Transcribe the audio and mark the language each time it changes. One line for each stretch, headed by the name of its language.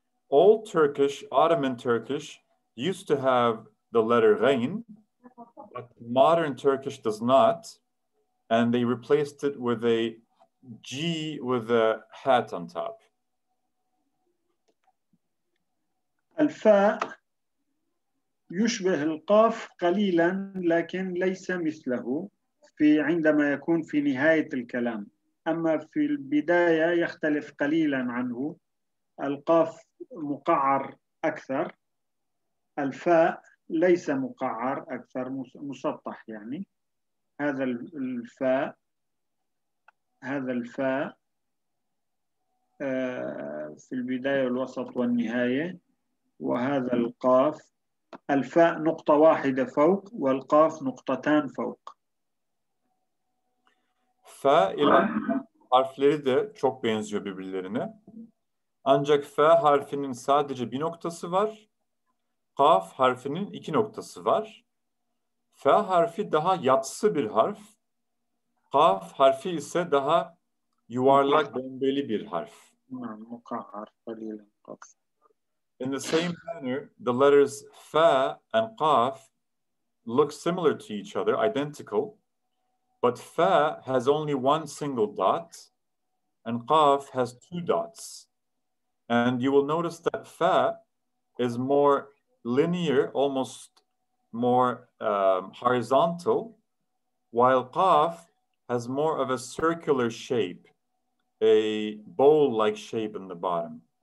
English: Old Turkish, Ottoman Turkish, used to have the letter Ghayn, but modern Turkish does not, and they replaced it with a G with a hat on top. Alfa.
Arabic: يشبه القاف قليلا لكن ليس مثله في عندما يكون في نهاية الكلام أما في البداية يختلف قليلا عنه القاف مقعر أكثر الفاء ليس مقعر أكثر مسطح يعني هذا الفاء هذا الفاء في البداية والوسط والنهاية وهذا القاف الفاء نقطة واحدة فوق والقاف نقطتان فوق.
Turkish: فاء إلى harfleri de çok benziyor birbirlerine. Ancak فاء harfinin sadece bir noktası var. قاف harfinin iki noktası var. فاء harfi daha yatsı bir harf. قاف harfi ise daha yuvarlak bombeli bir harf.
Arabic: مقعر قليلا قاف.
English: In the same manner, the letters fa and qaf look similar to each other, identical, but fa has only one single dot, and qaf has two dots. And you will notice that fa is more linear, almost more horizontal, while qaf has more of a circular shape, a bowl-like shape in the bottom.